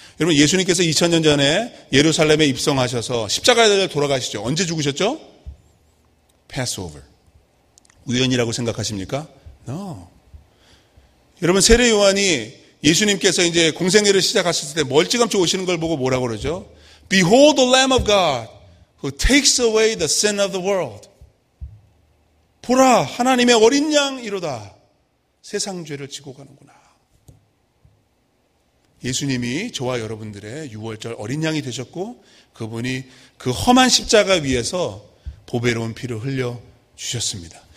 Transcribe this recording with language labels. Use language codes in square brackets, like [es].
[ko] 여러분 예수님께서 2000년 전에 예루살렘에 입성하셔서 십자가에 달려 돌아가시죠. 언제 죽으셨죠? 패스오버. 우연이라고 생각하십니까? [en] No. [ko] 여러분 세례 요한이 예수님께서 이제 공생애를 시작하실 때 멀찌감치 오시는 걸 보고 뭐라고 그러죠? [en] Behold the Lamb of God who takes away the sin of the world. [ko] 보라 하나님의 어린 양이로다. 세상 죄를 지고 가는구나. 예수님이 저와 여러분들의 유월절 어린 양이 되셨고 그분이 그 험한 십자가 위에서 보배로운 피를 흘려 주셨습니다.